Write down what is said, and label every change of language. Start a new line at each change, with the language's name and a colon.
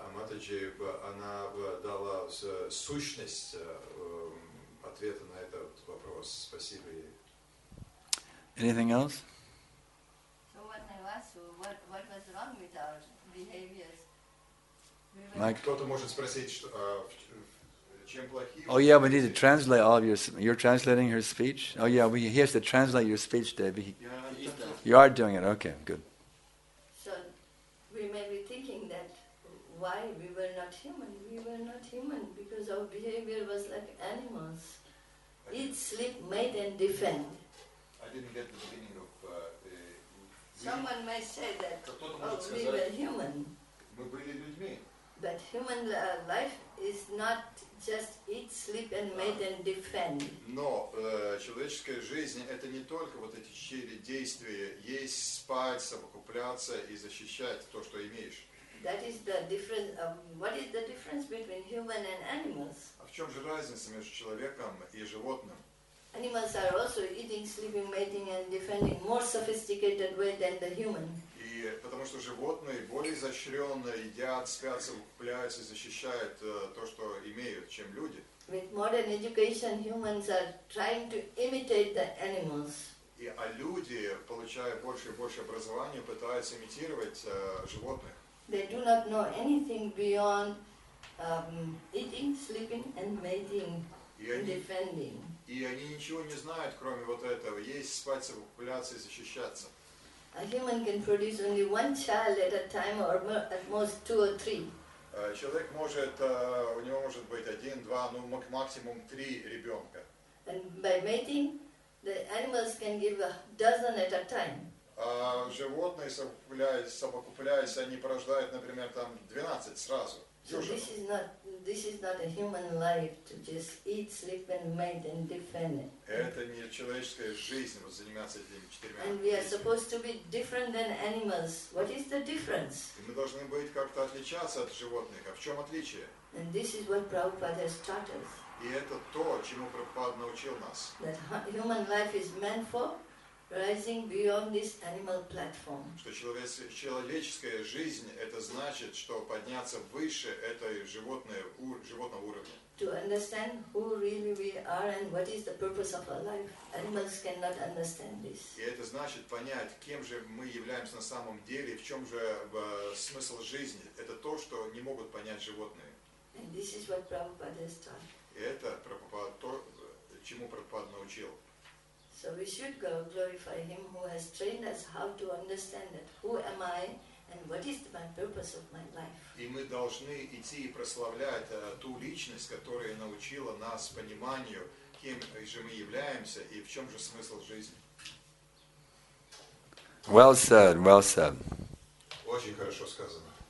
Russian: Матаджи, она дала сущность ответа на этот вопрос. Спасибо ей.
English: Anything else? So what I asked, what was wrong with our behaviors? Mike?
Russian: Кто-то может спросить, что, чем плохим?
English: Oh, yeah, we need to translate all of your... You're translating her speech? Oh, yeah, he has to translate your speech, Debbie. Yeah, you are doing it. Okay, good. So we may be thinking that why we were not human? We were not human because our behavior was like animals. Eat, sleep, mate, and defend. I didn't get the meaning of... Someone may say that, we were human. But human life is not just eat, sleep, and mate, and defend.
Russian: Но человеческая жизнь – это не только вот эти четыре действия. Есть, спать, совокупляться и защищать то, что имеешь.
English: That is the difference. What is the difference between human and animals?
Russian: А в чем же разница между человеком и животным?
English: Animals are also eating, sleeping, mating, and defending more sophisticated way than the human.
Russian: И потому что животные более изощренно едят, спят, укупляются, защищают то, что имеют, чем люди.
English: With modern education, humans are trying to imitate the animals.
Russian: И а люди, получая больше и больше образования, пытаются имитировать животных.
English: They do not know anything beyond eating, sleeping, and mating, and defending.
Russian: И они ничего не знают, кроме вот этого. Есть, спать, совокупляться и защищаться.
English: A human can produce only one child at a time, or at most two or three.
Russian: Человек может, у него может быть один, два, ну максимум три ребенка.
English: And by mating, the animals can give a dozen at a time.
Russian: Животные, совокупляясь, они порождают, например, там 12 сразу.
English: So this is not a human life to just eat, sleep, and mate and defend it.
Russian: Это не человеческая жизнь, вот заниматься этими четырьмя.
English: And we are supposed to be different than animals. What is the difference?
Russian: Мы должны быть как-то отличаться от животных. А в чем отличие?
English: And this is what Prabhupada has taught us.
Russian: И это то, чему Прабхупада научил нас.
English: That human life is meant for rising beyond this animal platform.
Russian: Что человеческая жизнь это значит, что подняться выше этой животного уровня.
English: To understand who really we are and what is the purpose of our life, animals cannot understand this.
Russian: И это значит понять, кем же мы являемся на самом деле, в чем же смысл жизни. Это то, что не могут понять животные.
English: And this is what Prabhupada has taught.
Russian: И это Прабхупада то, чему Прабхупада научил.
English: So we should go glorify him who has trained us how to understand that who am I and what is my purpose of my life.
Russian: И мы должны идти и прославлять ту личность, которая научила нас пониманию, кем же мы являемся и в чем же смысл жизни.
English: Well said, well said.
Russian: Очень хорошо сказано.